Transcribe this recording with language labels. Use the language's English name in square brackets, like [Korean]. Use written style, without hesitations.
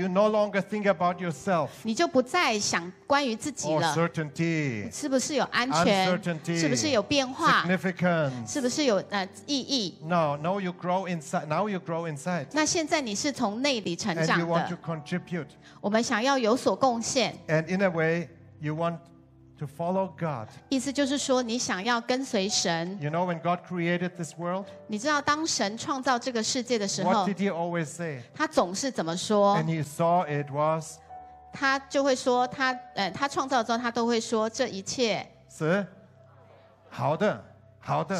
[English] You no longer think about yourself. [Chinese] 你就不再想关于自己了。 [English] Or certainty. [Chinese] 是不是有安全？ [English] Uncertainty. [Chinese] 是不是有变化？ [English] Significance. [Chinese] 是不是有意义？ [English] No, no, you grow inside. Now you grow inside. [Chinese] 那现在你是从内里成长的。 [English] And you want to contribute. [Chinese] 我们想要有所贡献。 [English] And in a way, you want to follow God. [Chinese] 意思就是说，你想要跟随神。 [English] You know when God created this world? [Chinese] 你知道当神创造这个世界的时候 [English] ，What did He always say? [Chinese] 他总是怎么说 [English] ？And He saw it was. [Chinese] 他就会说他创造之后，他都会说这一切是好的。好的，